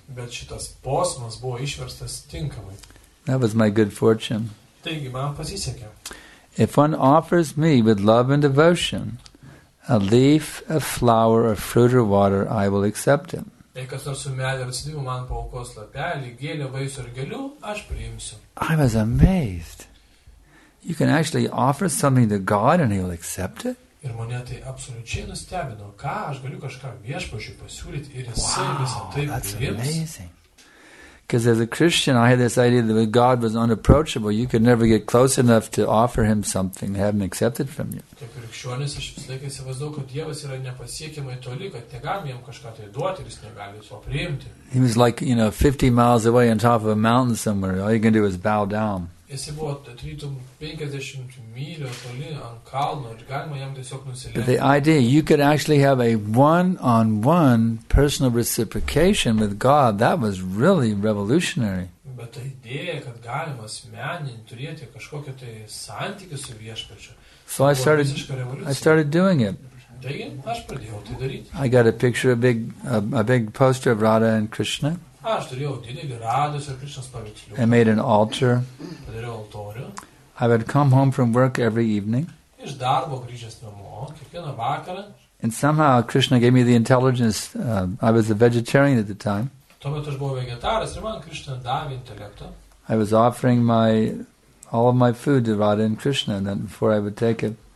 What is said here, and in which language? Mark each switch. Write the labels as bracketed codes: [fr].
[lt] Bet šitas posmas buvo išverstas tinkamai. [en] That was my good fortune. [lt] Taigi, man pasisekė. [en] If one offers me with love and devotion a leaf, a flower, a fruit or water, I will accept it. [lt] Jei kas nors su medį ar atsidimu man paukos lapelį, gėlę, vaisių ar gėlių, aš priimsiu. [en] I was amazed. You can actually offer something to God and he'll accept it? [lt] Ir mane tai absoliučiai nustebino, ką aš galiu kažką viešpačiui pasiūlyti ir jisai wow, visą tai [en] that's [lt] priims. [en] Amazing. Because as a Christian, I had this idea that with God was unapproachable. You could never get close enough to offer him something, have him accepted from you. [lt] Kaip krikščionis, aš vis laikai įsivaizdavau, kad Dievas yra nepasiekiamai toli, kad negalim jam kažką tai duoti ir jis negali to priimti. [en] He was like, you know, 50 miles away on top of a mountain somewhere. All you can do is bow down. [lt] Jisai buvo atrytum 50 mylių toli ant kalno ir galima jam tiesiog nusilenkti. [en] But the idea, you could actually have a one-on-one personal reciprocation with God, that was really revolutionary. [lt] Bet ta idėja, kad galima asmeninį turėti kažkokį tai santykį su viešpačiu. [en] So I started doing it. [lt] Taigi, aš pradėjau tai daryti. [en] I got a picture, a big poster of Radha and Krishna. [lt] Aš turėjau didelį Radhos ir Krishnos paveiksliuką. [en] I made an altar. [lt] Padariau altorių. [en] I would come home from work every evening. [lt] Iš darbo grįžęs namo, kiekvieną vakarą. [en] And somehow Krishna gave me the intelligence. I was a vegetarian at the time. I was offering all of my food to Radha and Krishna, and then before I would take it.